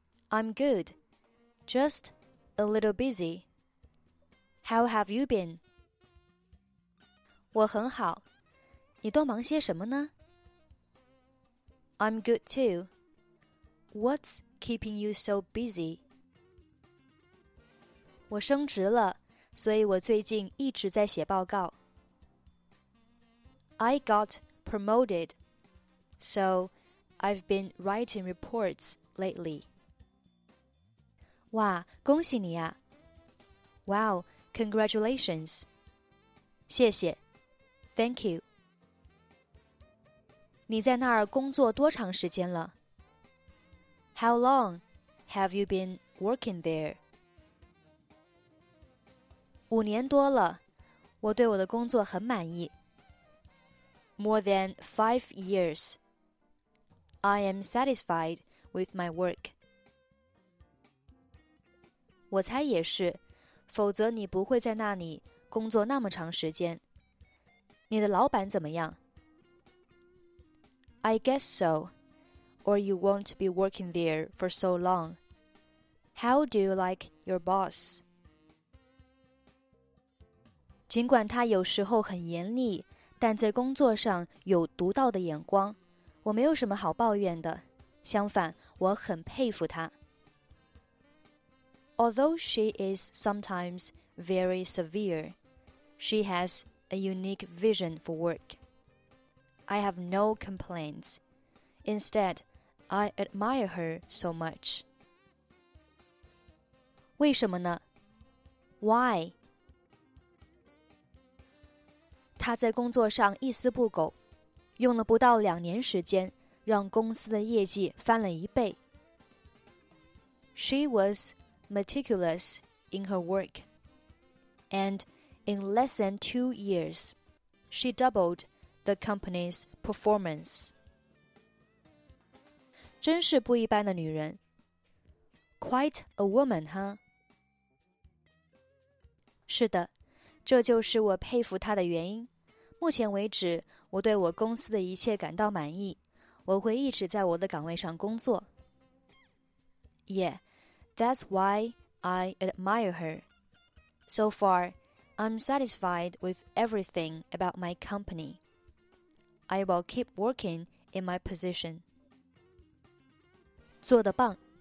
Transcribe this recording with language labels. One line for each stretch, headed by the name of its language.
English: I'm good, just a little busy. How have you been?
Chinese: 我很好。你都忙些什么呢？
English: I'm good too. What's keeping you so busy?
Chinese: 我升职了，所以我最近一直在写报告。
English: I got promoted, so I've been writing reports lately.
Chinese: 哇，恭喜你啊。
English: Wow, congratulations.
Chinese: 谢谢。
English: Thank you.
Chinese: 你在那儿工作多长时间了？
English: How long have you been working there?
Chinese: 五年多了，我对我的工作很满意。
English: More than 5 years. I am satisfied with my work.
Chinese: 我猜也是，否则你不会在那里工作那么长时间。你的老板怎么样？
English: I guess so, or you won't be working there for so long. How do you like your boss?
Chinese: 尽管他有时候很严厉，但在工作上有独到的眼光，我没有什么好抱怨的。相反，我很佩服他。
English: Although she is sometimes very severe, she has a unique vision for work. I have no complaints. Instead, I admire her so much.
Chinese: 为什么呢？
English: Why?
Chinese: 她在工作上一丝不苟，用了不到两年时间，让公司的业绩翻了一倍。
English: She was meticulous in her work. And in less than 2 years, she doubledthe company's performance.
Chinese: 真是不一般的女人。
English: Quite a woman, huh?
Chinese: 是的，这就是我佩服她的原因。目前为止，我对我公司的一切感到满意，我会一直在我的岗位上工作。
English: Yeah, that's why I admire her. So far, I'm satisfied with everything about my company. I will keep working in my position.
Chinese: 做得棒。